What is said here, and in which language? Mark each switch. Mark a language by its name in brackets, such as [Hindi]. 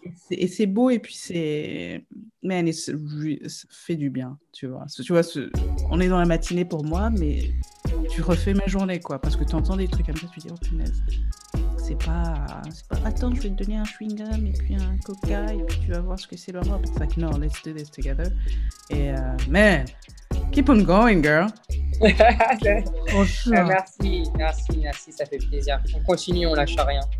[French] Et c'est beau et puis c'est man, ça fait du bien, tu vois, on est dans la matinée pour moi, mais tu refais ma journée quoi, parce que tu entends des trucs comme ça, tu te dis oh punaise, c'est pas attends, je vais te donner un chewing gum et puis un coca et puis tu vas voir ce que c'est l'Europe. [English] It's like no, let's do this together. Et man, keep on going girl. [French] Bonjour. Merci, ça fait plaisir. On continue, on lâche rien.